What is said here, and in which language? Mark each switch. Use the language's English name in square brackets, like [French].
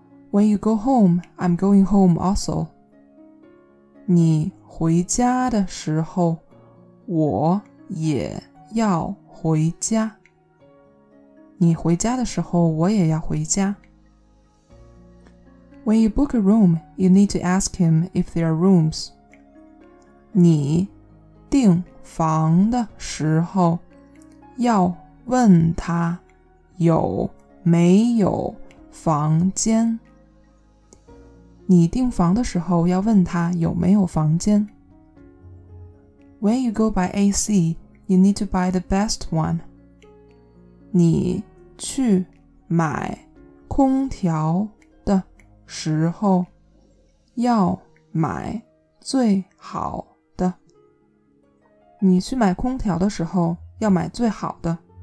[English] When you go home, I'm going home also. [Chinese] 你回家的时候，我也要回家。你回家的时候，我也要回家。 [English] When you book a room, you need to ask him if there are rooms. [Chinese] 你订房的时候要问他有没有房间。你订房的时候要问他有没有房间。 [English] When you go by AC, you need to buy the best one. [Chinese] 你去买空调的时候要买最好的。你去买空调的时候要买最好的。